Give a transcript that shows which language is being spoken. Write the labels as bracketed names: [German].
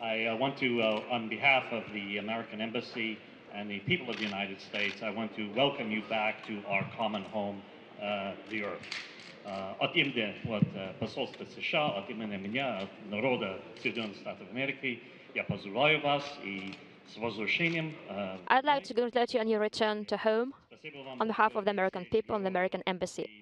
[English] I want to, on behalf of the American Embassy and the people of the United States, I want to welcome you back to our common home, the Earth. [Russian] От имени вот посольства США, от имени меня, от народа Соединенных Штатов Америки, я поздравляю вас и с возвращением. [English] I'd like to congratulate you on your return to home on behalf of the American people and the American Embassy.